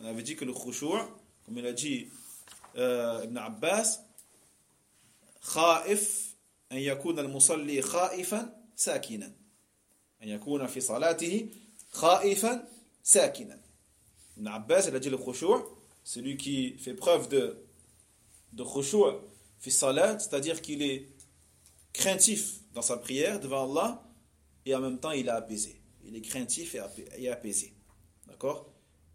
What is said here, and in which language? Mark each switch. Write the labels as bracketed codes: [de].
[fr] On avait dit que le khushu'. Comme il a dit Ibn Abbas, [ar] خائف أن يكون المصلي خائفا ساكنا. أن يكون في صلاته خائفا ساكنا. [fr] Ibn Abbas, il a dit le khushu, celui qui fait preuve de khushu في salat, c'est-à-dire qu'il est craintif dans sa prière devant Allah, et en même temps il est apaisé. Il est craintif et apaisé. D'accord ?